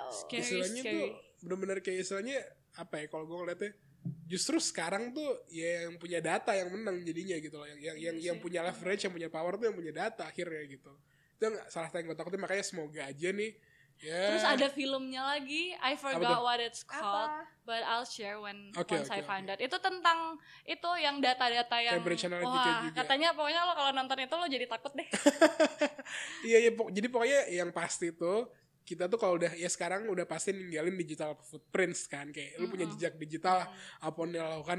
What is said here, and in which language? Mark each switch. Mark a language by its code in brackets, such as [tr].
[id] Istilahnya tuh benar-benar kayak istilahnya, apa ya kalau gue ngeliatnya, justru sekarang tuh ya yang punya data yang menang jadinya gitu loh, yang punya leverage, yang punya power tuh yang punya data akhirnya gitu. Itu gak salah yang gue takutin, makanya semoga aja nih Terus ada filmnya lagi, [en] I forgot what it's called, but I'll share when once I find out. [id] Itu tentang itu yang data-data yang Cambridge Analytica juga. Katanya pokoknya lo kalau nonton itu lo jadi takut deh. Jadi pokoknya yang pasti tuh kita tuh kalau udah, ya sekarang udah pasti ninggalin digital footprints kan, kayak lu punya jejak digital apa yang dilakukan.